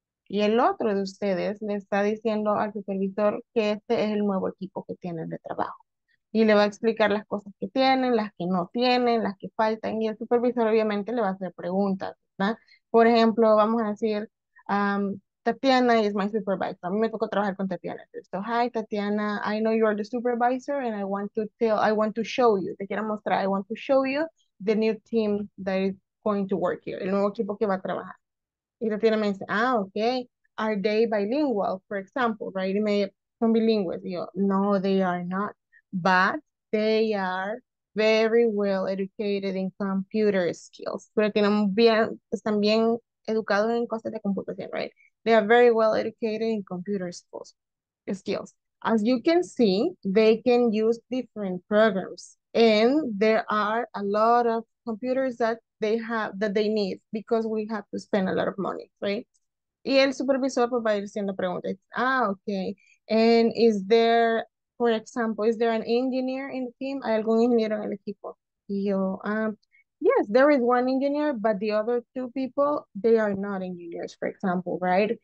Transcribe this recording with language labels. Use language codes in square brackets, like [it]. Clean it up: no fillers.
[es] Y el otro de ustedes le está diciendo al supervisor que este es el nuevo equipo que tienen de trabajo. Y le va a explicar las cosas que tienen, las que no tienen, las que faltan. Y el supervisor obviamente le va a hacer preguntas, ¿verdad? Por ejemplo, vamos a decir, [en] Tatiana is my supervisor. [es] A mí me tocó trabajar con Tatiana. [en] So, hi, Tatiana, I know you are the supervisor and I want to show you. [es] Te quiero mostrar, [en] I want to show you the new team that is going to work here. [es] El nuevo equipo que va a trabajar. Y Tatiana me dice, ah, okay. [en] Are they bilingual, for example, right? [es] Y me son bilingües. Y yo, no, [en] they are not. But they are very well educated in computer skills. [es] Pero tienen bien, están bien educados en cosas de computación, right? [en] They are very well educated in computer skills. As you can see, they can use different programs. And there are a lot of computers that they have, that they need, because we have to spend a lot of money, right? [es] Y el supervisor va a ir haciendo preguntas. [en] Ah, okay. And is there, for example, is there an engineer in the team? [es] ¿Hay algún ingeniero en el equipo? [en] Y yo, yes, there is one engineer, but the other two people, they are not engineers, for example, right?